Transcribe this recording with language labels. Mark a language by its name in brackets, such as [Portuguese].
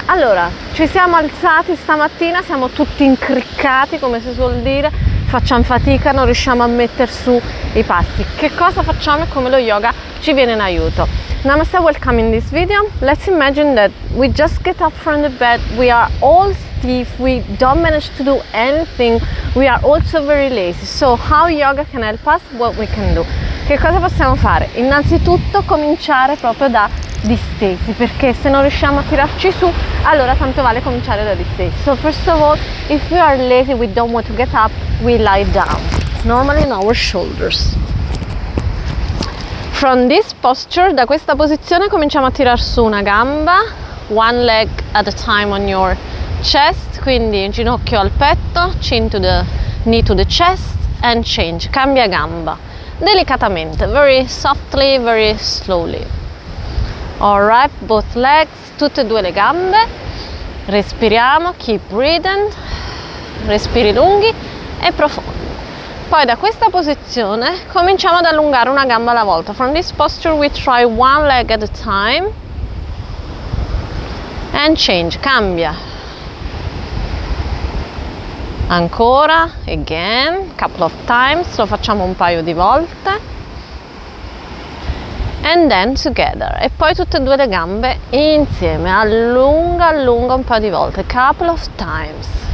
[Italian] Allora, ci siamo alzati stamattina, siamo tutti incriccati, come si suol dire, facciamo fatica, non riusciamo a mettere su i passi. Che cosa facciamo e come lo yoga ci viene in aiuto? [English] Namaste, welcome in this video. Let's imagine that we just get up from the bed, we are all stiff, we don't manage to do anything, we are also very lazy. So how yoga can help us? What we can do? [Italian] Che cosa possiamo fare? Innanzitutto cominciare proprio da distesi, perché se non riusciamo a tirarci su, allora tanto vale cominciare da distesi. [English] So first of all, if we are lazy, we don't want to get up, we lie down, normally on our shoulders. From this posture, [Italian] da questa posizione cominciamo a tirar su una gamba, [English] one leg at a time on your chest, [Italian] quindi ginocchio al petto, [English] chin to the knee to the chest, and change, [Italian] cambia gamba, delicatamente, [English] very softly, very slowly. All right, both legs, [Italian] tutte e due le gambe, respiriamo, [English] keep breathing, [Italian] respiri lunghi e profondi. Poi da questa posizione cominciamo ad allungare una gamba alla volta. [English] From this posture we try one leg at a time and change, cambia. [Italian] Ancora, [English] again, couple of times, [Italian] lo facciamo un paio di volte. [English] And then together, [Italian] e poi tutte e due le gambe insieme, allunga, allunga un paio di volte, [English] couple of times.